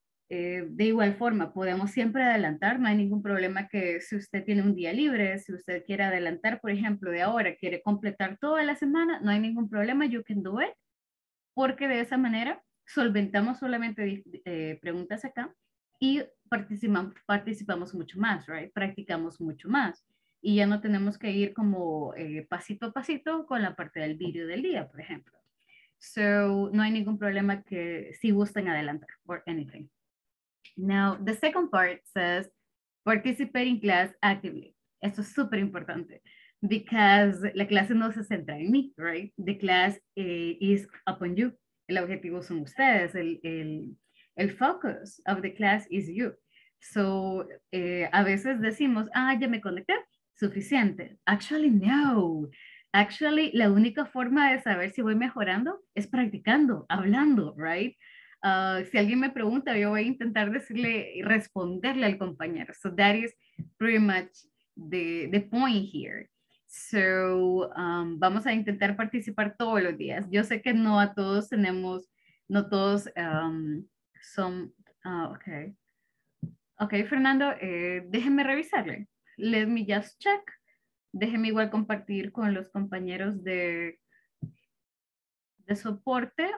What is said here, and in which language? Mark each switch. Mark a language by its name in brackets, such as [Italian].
[Spanish] De igual forma, podemos siempre adelantar, no hay ningún problema que si usted tiene un día libre, si usted quiere adelantar, por ejemplo, de ahora, quiere completar toda la semana, no hay ningún problema, [English] you can do it, [Spanish] porque de esa manera solventamos solamente preguntas acá y participamos mucho más, right? Practicamos mucho más. Y ya no tenemos que ir como pasito a pasito con la parte del video del día, por ejemplo. So, no hay ningún problema que si gusten adelantar [English] or anything. Now, the second part says, participate in class actively. Esto es súper importante. Because la clase no se centra en mí, right? The class is upon you. [Spanish] El objetivo son ustedes. [English] El focus of the class is you. [Spanish] So, a veces decimos, ah, ya me conecté, suficiente. Actually, no. Actually, la única forma de saber si voy mejorando es practicando, hablando, right? Si alguien me pregunta, yo voy a intentar decirle, responderle al compañero. [English] So, that is pretty much the point here. [Spanish] So, vamos a intentar participar todos los días. Yo sé que no a todos tenemos, no todos son, okay. Okay, Fernando, déjeme revisarle. [English] Let me just check. [Spanish] Déjeme igual compartir con los compañeros de soporte.